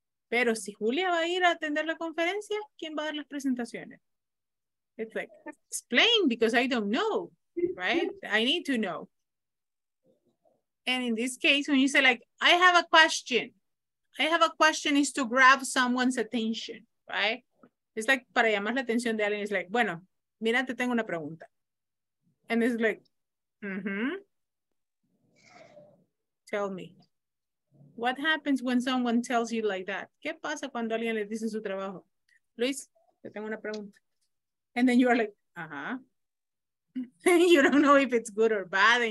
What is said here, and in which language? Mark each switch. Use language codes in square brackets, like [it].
[es] Pero si Julia va a ir a atender la conferencia, ¿quién va a dar las presentaciones? [en] It's like, explain, because I don't know, right? I need to know. And in this case, when you say like, I have a question is to grab someone's attention, right? It's like, [es] para llamar la atención de alguien, [en] it's like, [es] bueno, mira, te tengo una pregunta. [en] And it's like, tell me. What happens when someone tells you like that? [es] ¿Qué pasa cuando alguien le dice su trabajo? Luis, te tengo una pregunta. [en] And then you are like, You don't know if it's good or bad.